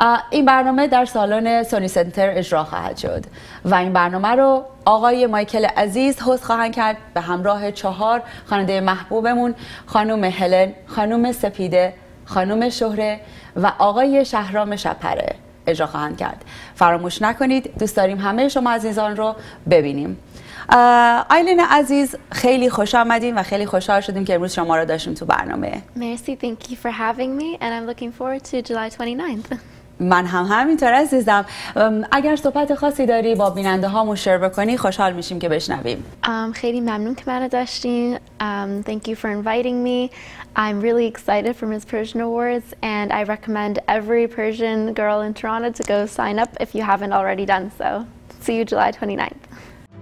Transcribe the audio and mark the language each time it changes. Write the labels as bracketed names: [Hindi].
[Persian] این برنامه در سالن سونی سنتر اجرا خواهد شد و این برنامه رو آقای مایکل عزیز هست خواهند کرد به همراه 4 خواننده محبوبمون، خانم هلن، خانم سپیده، خانم شهره و آقای شهرام شپره اجرا خواهند کرد. فراموش نکنید، دوست داریم همه شما عزیزان رو ببینیم. آیلین عزیز، خیلی خوش آمدین و خیلی خوشحال شدیم که امروز شما رو داشتیم تو برنامه. [English] مرسی، thank you for having me and I'm looking forward to July 29th. [Persian] من هم همینطور عزیزم. اگر صحبت خاصی داری با بیننده هامو شیر بکنی خوشحال میشیم که بشنویم. خیلی ممنون که منو داشتین. [English] Thank you for inviting me. I'm really excited for Miss Persian Awards and I recommend every Persian girl in Toronto to go sign up if you haven't already done so. See you July 29th.